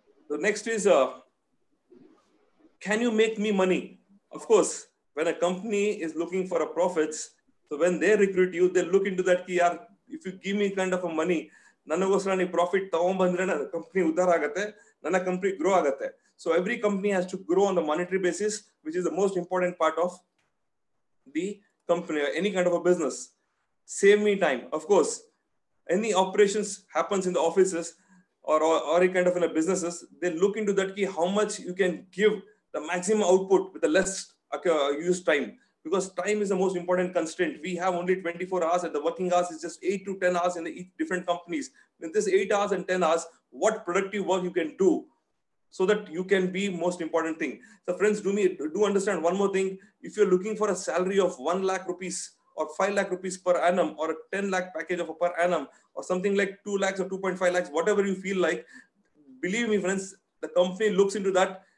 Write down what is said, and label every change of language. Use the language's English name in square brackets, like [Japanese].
[English] The next is, can you make me money? Of course, when a company is looking for a profits, so when they recruit you, they look into that, if you give me kind of a money, [Kannada] ನನಗೋಸ್ಕರ ನೀವು profit ತಗೊಂಡ್ಬಂದ್ರೆ ನನ್ನ company ಉದ್ದಾರ ಆಗುತ್ತೆ, ನನ್ನ company grow ಆಗುತ್ತೆ. [English] So every company has to grow on the monetary basis, which is the most important part of the company, any kind of a business. Save me time, of course any operations happens in the offices are kind of in businesses, they look in to that ಕಿ how much you can give the maximum output with less use time. Because time is the most important constraint. We have only 24 hours, and the working hours is just 8 to 10 hours in the different companies. In this 8 hours and 10 hours, what productive work you can do so that you can be most important thing. So friends, do understand one more thing. If you're looking for a salary of 1 lakh rupees or 5 lakh rupees per annum, or a 10 lakh package of a per annum, or something like 2 lakhs or 2.5 lakhs, whatever you feel like, believe me, friends, the company looks into that.